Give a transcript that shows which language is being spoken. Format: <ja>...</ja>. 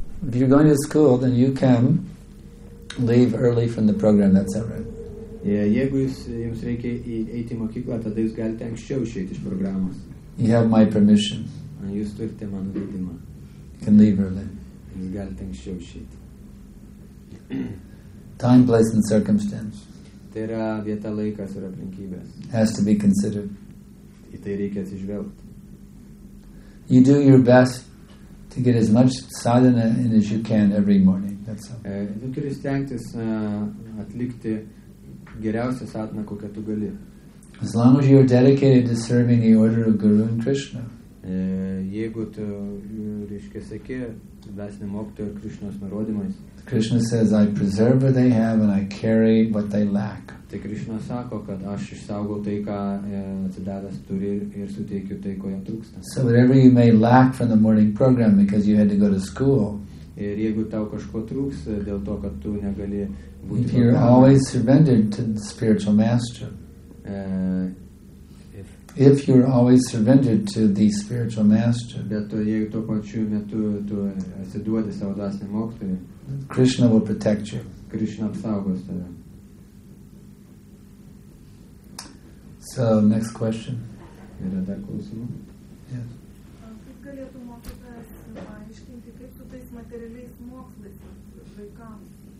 <en>If you're going to school, then you can leave early from the program. That's all right.</en> <lt>Jeigu jūs, jums reikia eiti į mokyklą, tada jūs galite anksčiau išeiti iš programos.</lt> <en>You have my permission.</en> <lt>Jūs turite mano leidimą.</lt> <en>You can leave early.</en> <lt>Jūs galite anksčiau išeiti.</lt> <en>Time, place and circumstance.</en> <lt>Tai yra vieta, laikas ir aplinkybės.</lt> <en>Has to be considered.</en> <lt>Į tai reikia atsižvelgti.</lt> <en>You do your best to get as much sadhana in as you can every morning. That's all.</en> <lt>Tu turi stengtis atlikti geriausią sadhana, kokią tu gali.</lt> <en>As long as you are dedicated to serving the order of Guru and Krishna.</en> <lt>Jeigu tu, reiškia, seki dvasinio mokytojo ir Krišnos nurodymais.</lt> <en>Krishna says, I preserve what they have and I carry what they lack.</en> <lt>Tai Krishna sako, kad aš išsaugau tai, ką atsidavęs turi ir suteikiu tai, ko jam trūksta.</lt> <en>So whatever you may lack from the morning program because you had to go to school.</en> <lt>Ir jeigu tau kažko trūks dėl to, kad tu negali būti.</lt> <en>If you're always surrendered to the spiritual master. If you're always surrendered to the spiritual master.</en> <lt>Bet jeigu tuo pačiu metu tu atsiduodi savo dvasiniam mokytojui.</lt> <en>Krishna will protect you.</en> <lt>Krishna apsaugos tave.</lt> <en>So, next question.</en> <lt>Yra dar klausimų?</lt> <en>Yes.</en> <lt>Kaip galėtų mokytojas paaiškinti, kaip su tais materialiais mokslais vaikams?</lt>